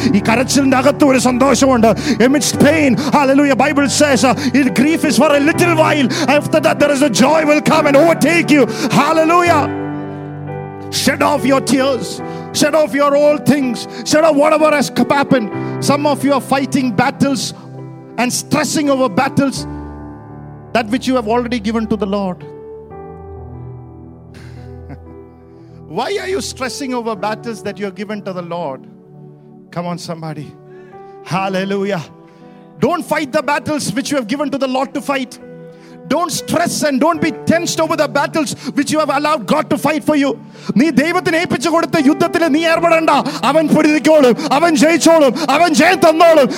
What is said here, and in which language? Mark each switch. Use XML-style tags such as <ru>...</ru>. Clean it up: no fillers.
<ml>ഈ കരച്ചിലിന്റെ അകത്ത് ഒരു സന്തോഷമുണ്ട്.</ml> <en>Amidst pain. Hallelujah. Bible says, if grief is for a little while, after that there is a joy will come and overtake you. Hallelujah. Shed off your tears. Shed off your old things. Shed off whatever has happened. Some of you are fighting battles and stressing over battles that which you have already given to the Lord. Why are you stressing over battles that you have given to the Lord? Come on, somebody. Hallelujah. Don't fight the battles which you have given to the Lord to fight. Don't stress and don't be tensed over the battles which you have allowed God to fight for you.</en> <ml>നീ ദൈവത്തിന് ഏൽപ്പിച്ചു കൊടുത്ത യുദ്ധത്തിൽ നീ ഏർപ്പെടണ്ട. അവൻ പൊരുതിക്കോളും, അവൻ ജയിച്ചോളും, അവൻ ജയം തന്നോളും.</ml>